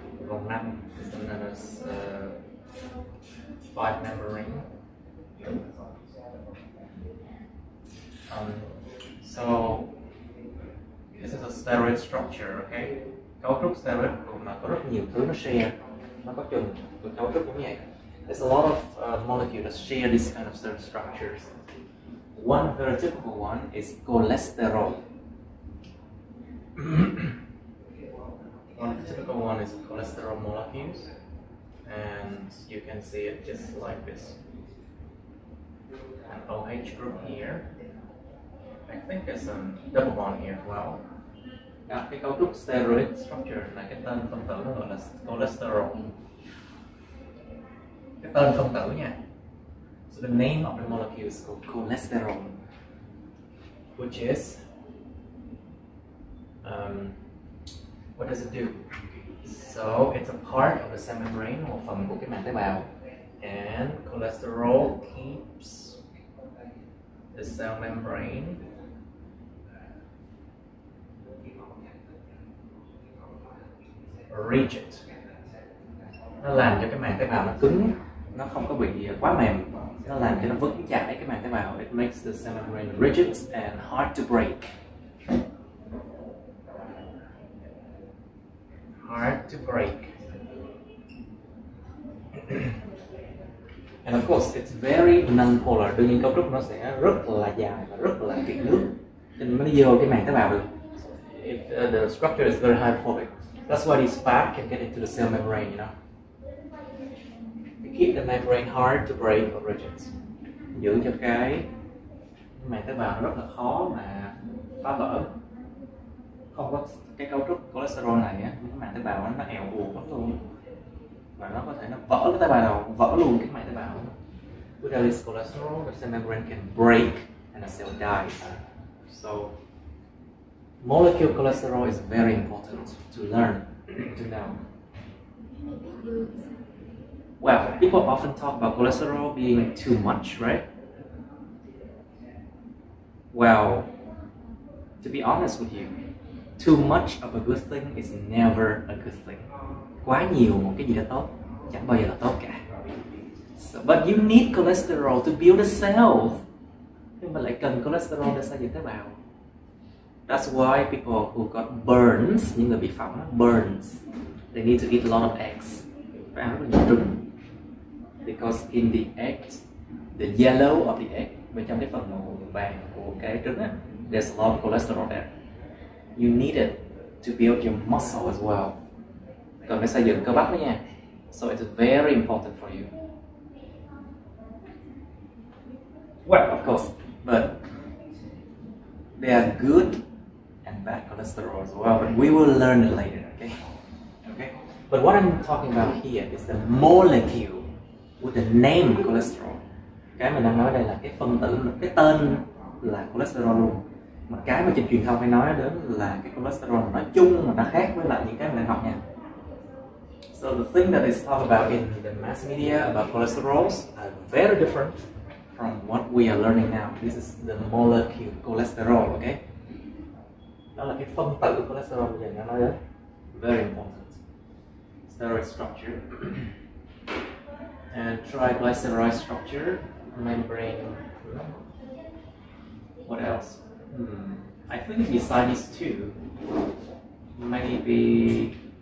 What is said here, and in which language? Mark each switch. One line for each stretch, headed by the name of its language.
Vietnamese: Vòng 5
English: is another 5 member ring. So this is a steroid structure, okay?
Vietnamese: Cấu trúc steroid mà có rất nhiều thứ nó share, nó có chùm của cấu trúc cũng vậy.
English: There's a lot of molecules that share this kind of steroid structures. One very typical one is cholesterol. One typical one is cholesterol molecules, and you can see it just like this. An OH group here. I think there's a double bond here as well.
Vietnamese: Yeah, cái cấu trúc steroid structure là cái tên phân tử nó gọi là cholesterol. Cái tên phân tử nha.
English: So the name of the molecule is called cholesterol, which is what does it do? So it's a part of the cell membrane,
Vietnamese: một phần của cái màng tế bào.
English: And cholesterol keeps the cell membrane rigid.
Vietnamese: Nó làm cho cái màng tế bào nó cứng, nó không có bị quá mềm. Nó làm cho nó vững chãi cái màng tế bào.
English: It makes the cell membrane rigid and hard to break. Hard to break. And of course, it's very nonpolar.
Vietnamese: Đương nhiên cấu trúc nó sẽ rất là dài và rất là kiệt nước, cho nên mới vô cái màng tế bào được.
English: If the structure is very hydrophobic, that's why this fat can get into the cell membrane. You know, to keep the membrane hard to break or rigid.
Vietnamese: Giữ cho cái màng tế bào nó rất là khó mà phá vỡ. Không có cái cấu trúc cholesterol này á, cái màng tế bào nó eo uột lắm luôn. Và nó có thể nó vỡ cái tế bào nào, vỡ luôn cái màng tế bào.
English: Without this cholesterol, the cell membrane can break and the cell dies. So, molecule cholesterol is very important to learn, to know. Well, people often talk about cholesterol being too much, right? Well, to be honest with you, too much of a good thing is never a good thing.
Vietnamese: Quá nhiều một cái gì đó tốt chẳng bao giờ là tốt cả.
English: So, but you need cholesterol to build a cell.
Vietnamese: Nhưng mà lại cần cholesterol để xây dựng tế bào.
English: That's why people who got burns,
Vietnamese: những người bị phỏng
English: burns, they need to eat a lot of eggs.
Vietnamese: Phải ăn rất nhiều trứng.
English: Because in the egg, the yellow of the egg,
Vietnamese: bên trong cái phần màu vàng của cái trứng á,
English: there's a lot of cholesterol there. You need it to build your muscle as well.
Vietnamese: Cần phải xây dựng cơ bắp đó nha.
English: So it's very important for you. Well, of course, but they are good and bad cholesterol as well, but we will learn it later, okay? Okay? But what I'm talking about here is the molecule with the name cholesterol.
Vietnamese: Cái mình đang nói đây là cái phân tử, cái tên là cholesterol luôn. Mà cái mà trên truyền thông hay nói đến là cái cholesterol nói chung mà nó khác với lại những cái mình đang học nha.
English: So the thing that is talked about in the mass media about cholesterols are very different from what we are learning now. This is the molecule cholesterol, okay?
Vietnamese: Đó là cái phân tử của cholesterol mình đang nói đến.
English: Very important. Steroid structure. And triglyceride structure, membrane. What else? I think besides these two, maybe.